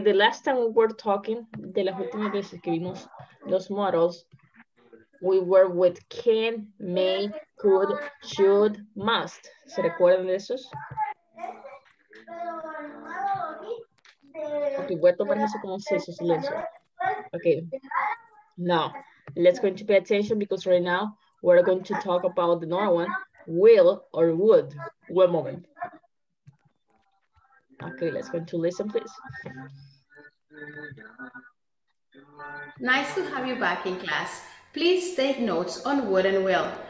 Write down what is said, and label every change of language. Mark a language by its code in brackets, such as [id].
[en] The last time we were talking, [es] de las últimas veces que vimos los modals, [en] we were with can, may, could, should, must. [es] ¿Se recuerdan de esos? Okay, voy a tomar eso como seso, silencio. [en] Okay. Now, let's going to pay attention because right now we're going to talk about the normal one, will or would. One moment. Okay, let's going to listen, please. Nice to have you back in class. Please take notes on would and will.